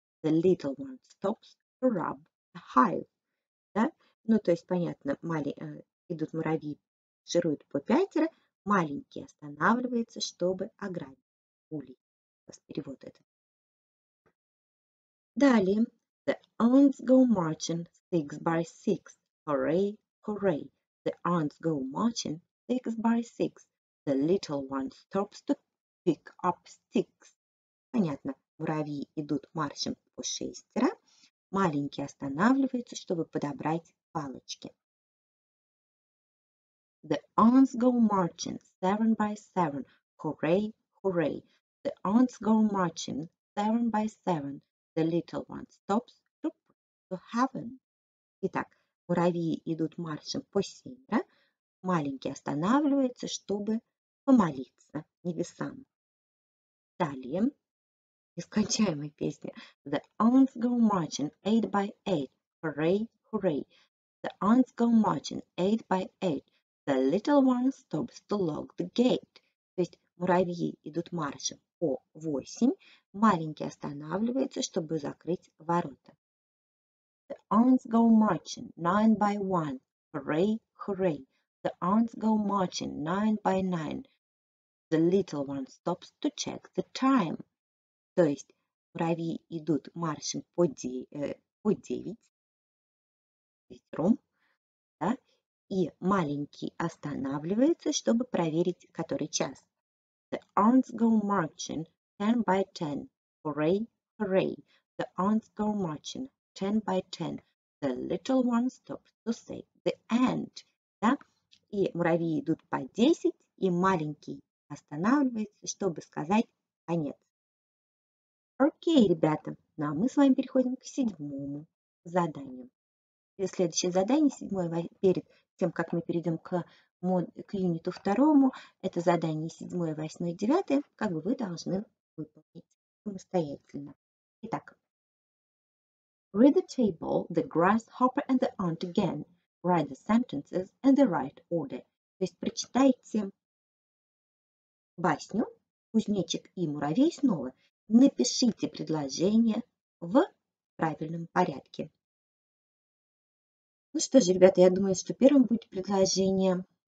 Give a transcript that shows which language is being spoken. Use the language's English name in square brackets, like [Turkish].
[English] The little one stops to rub a hive. [Russian] Да? Ну, то есть, понятно, идут муравьи, шируют по пятеро. Маленький останавливается, чтобы ограбить улей. Сейчас перевод это. Далее. [English] The ants go marching six by six. Hooray, hooray. The ants go marching six by six. The little one stops to pick up sticks. [Russian] Понятно. Муравьи идут маршем по шестеро. Маленький останавливается, чтобы подобрать палочки. [English] The ants go marching seven by seven. Hooray, hooray. The ants go marching seven by seven. The little one stops to pray to heaven. [Russian] Итак, муравьи идут маршем по семеро. Маленький останавливается, чтобы помолиться небесам. Далее. Нескончаемая песня. [English] The ants go marching eight by eight. Hooray, hooray. The ants go marching eight by eight. The little one stops to lock the gate. [Russian] То есть муравьи идут маршем по восемь. Маленький останавливается, чтобы закрыть ворота. [English] The ants go marching nine by one. Hooray, hooray. The ants go marching nine by nine. The little one stops to check the time. [Russian] То есть муравьи идут маршем по девять, да, и маленький останавливается, чтобы проверить, который час. [English] The ants go marching ten by ten. Hooray, hooray. The ants go marching ten by ten. The little one stops to say the end. [Russian] Да? И муравьи идут по десять, и маленький останавливается, чтобы сказать конец. Окей, ребята, ну а мы с вами переходим к седьмому заданию. И следующее задание, седьмое, перед тем, как мы перейдем к юниту второму, это задание седьмое, восьмое, девятое, как бы вы должны выполнить самостоятельно. Итак. [English] Read the table, the grasshopper and the ant again. Write the sentences in the right order. [Russian] То есть прочитайте басню «Кузнечик и муравей» снова. Напишите предложение в правильном порядке. Ну что же, ребята, я думаю, что первым будет предложение.